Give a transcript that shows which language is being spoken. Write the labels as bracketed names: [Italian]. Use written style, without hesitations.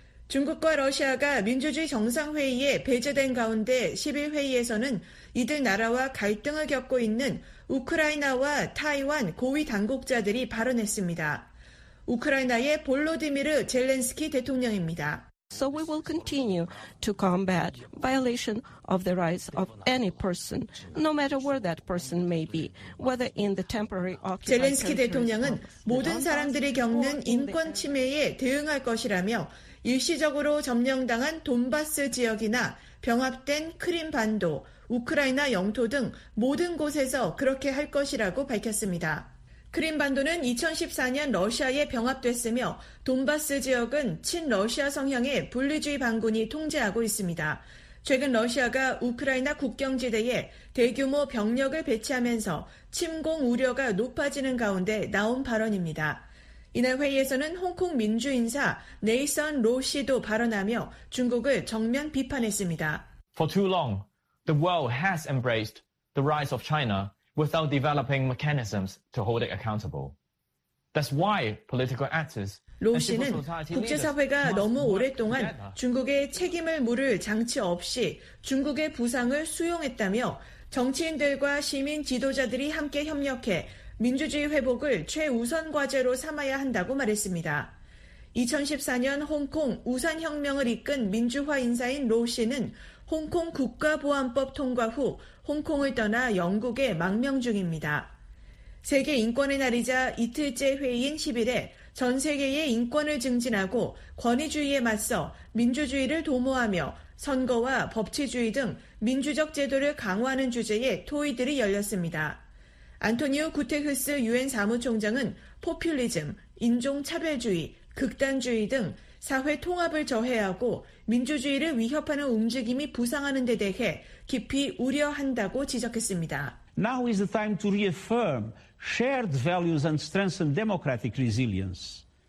[Korean] 중국과 러시아가 민주주의 정상회의에 배제된 가운데 10일 회의에서는 이들 나라와 갈등을 겪고 있는 우크라이나와 타이완 고위 당국자들이 발언했습니다. 우크라이나의 볼로디미르 젤렌스키 대통령입니다. [English] So we will continue to combat violation of the rights of any person, no matter where that person may be, whether in the temporary occupied. [Korean] 젤렌스키 대통령은 모든 사람들이 겪는 인권 침해에 대응할 것이라며 일시적으로 점령당한 돈바스 지역이나 병합된 크림반도, 우크라이나 영토 등 모든 곳에서 그렇게 할 것이라고 밝혔습니다. 크림반도는 2014년 러시아에 병합됐으며 돈바스 지역은 친러시아 성향의 분리주의 반군이 통제하고 있습니다. 최근 러시아가 우크라이나 국경지대에 대규모 병력을 배치하면서 침공 우려가 높아지는 가운데 나온 발언입니다. 이날 회의에서는 홍콩 민주인사 네이선 로 씨도 발언하며 중국을 정면 비판했습니다. [English] For too long, the world has embraced the rise of China without developing mechanisms to hold it accountable. That's why political actors. [Korean] 로 씨는 국제사회가 너무 오랫동안 중국의 책임을 물을 장치 없이 중국의 부상을 수용했다며 정치인들과 시민 지도자들이 함께 협력해 민주주의 회복을 최우선 과제로 삼아야 한다고 말했습니다. 2014년 홍콩 우산혁명을 이끈 민주화 인사인 로 씨는 홍콩 국가보안법 통과 후 홍콩을 떠나 영국에 망명 중입니다. 세계 인권의 날이자 이틀째 회의인 10일에 전 세계의 인권을 증진하고 권위주의에 맞서 민주주의를 도모하며 선거와 법치주의 등 민주적 제도를 강화하는 주제의 토의들이 열렸습니다. 안토니오 구테흐스 유엔 사무총장은 포퓰리즘, 인종차별주의, 극단주의 등 사회 통합을 저해하고 민주주의를 위협하는 움직임이 부상하는 데 대해 깊이 우려한다고 지적했습니다. [English] Now is the time to reaffirm shared values and strengthen democratic resilience.